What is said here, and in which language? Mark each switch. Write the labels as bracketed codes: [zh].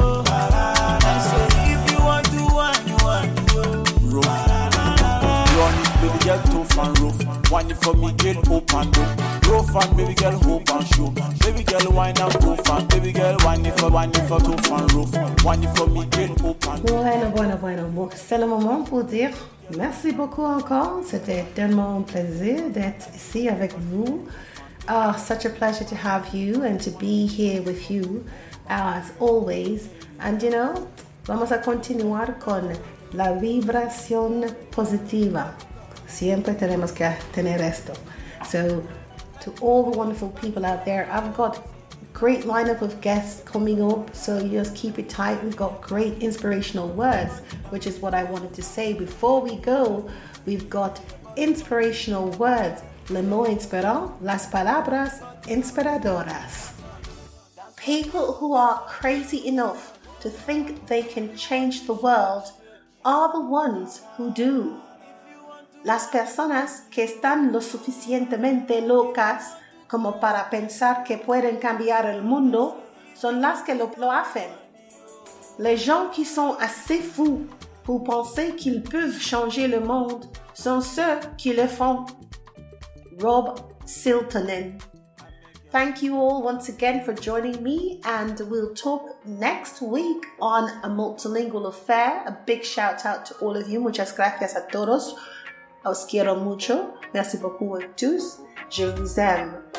[en] I say, if you want to wine, wine you. Roof. Run it, baby girl, tough and roof. Wine it for me, get open up. Roof and baby girl, hope and show. Baby girl, wine and roof and baby girl, wine it for tough and roof. Wine it for me, get open. [es] Bueno. [fr] Bon, c'est le moment pour dire merci beaucoup encore. C'était tellement un plaisir d'être ici avec vous. [en] Such a pleasure to have you and to be here with you as always. And you know, [es] vamos a continuar con la vibración positiva. Siempre tenemos que tener esto. [en] So, to all the wonderful people out there, I've got great lineup of guests coming up, so just keep it tight. We've got great inspirational words, which is what I wanted to say before we go. We've got inspirational words, [fr] le mot inspirant, [es] las palabras inspiradoras. [en] People who are crazy enough to think they can change the world are the ones who do. [es] Las personas que están lo suficientemente locas como para pensar que pueden cambiar el mundo, son las que lo hacen. [fr] Les gens qui sont assez fous pour penser qu'ils peuvent changer le monde sont ceux qui le font. [en] Rob Siltanen. Thank you all once again for joining me, and we'll talk next week on A Multilingual Affair. A big shout out to all of you. [es] Muchas gracias a todos. Os quiero mucho. [fr] Merci beaucoup a tous. Je vous aime.